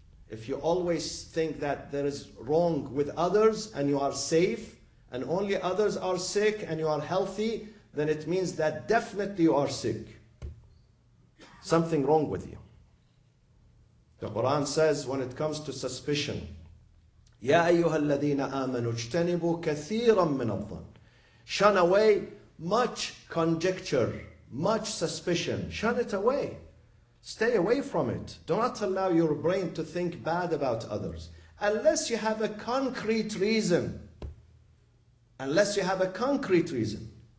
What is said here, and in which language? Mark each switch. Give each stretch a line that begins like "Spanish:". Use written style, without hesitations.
English: If you always think that there is wrong with others and you are safe, and only others are sick and you are healthy, then it means that definitely you are sick. Something wrong with you. The Quran says when it comes to suspicion,
Arabic: يا أيها الذين آمنوا اجتنبوا كثيرا من الظن.
English: Shun away much conjecture, much suspicion. Shun it away. Stay away from it. Do not allow your brain to think bad about others. Unless you have a concrete reason. Unless you have a concrete reason.